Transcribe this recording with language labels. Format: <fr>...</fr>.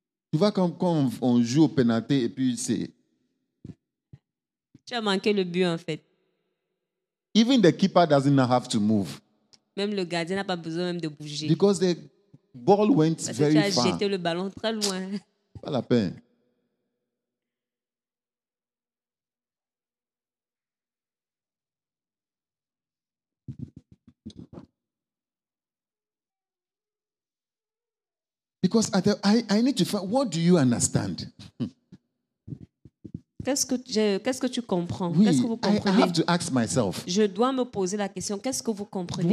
<fr>Tu vois quand on joue au pénalité et puis c'est. Tu as manqué le but en fait.</fr> <en>Even the keeper doesn't have to move.</en> <fr>Même le gardien n'a pas besoin même de bouger.</fr> <en>Because the ball went</en> <fr>parce</fr> <en>very</en> <fr>que tu as</fr> <en>far.</en> <fr>Jeté le ballon très loin. Pas la peine.</fr> <en>Because I need to find what do you understand?</en> <fr>Qu'est-ce que tu comprends? Oui, qu'est-ce que vous comprenez?</fr> <en>I have to ask myself.</en> <fr>Je dois me poser la question. Qu'est-ce que vous comprenez?</fr>